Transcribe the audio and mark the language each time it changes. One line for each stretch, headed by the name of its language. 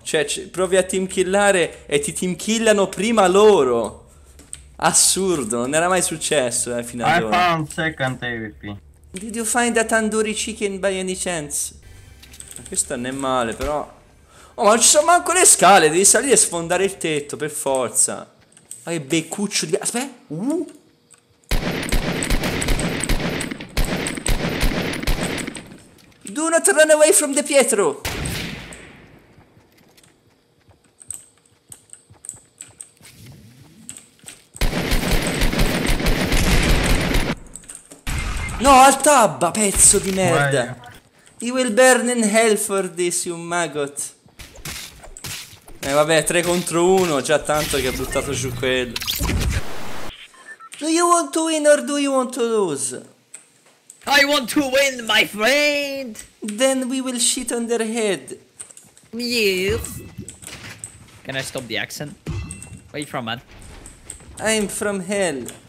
Italian: Cioè, provi a team killare e ti team killano prima loro. Assurdo, non era mai successo, fino ad I ora.
English: I found second AVP. Did you find a tandoori chicken by any chance?
Italian: Questo non è male, però. Oh, ma non ci sono manco le scale. Devi salire e sfondare il tetto, per forza. Ma che beccuccio di... Aspetta!
English: Do not run away from the Pietro!
Italian: No, al tab, pezzo di merda!
English: He will burn in hell for this, you maggot.
Italian: Vabbè, 3 contro 1, già tanto che ha buttato giù quello.
English: Do you want to win or do you want to lose? I want to win, my friend! Then we will shit on their head. Yes. Can I stop the accent? Where you from, man? I'm from hell.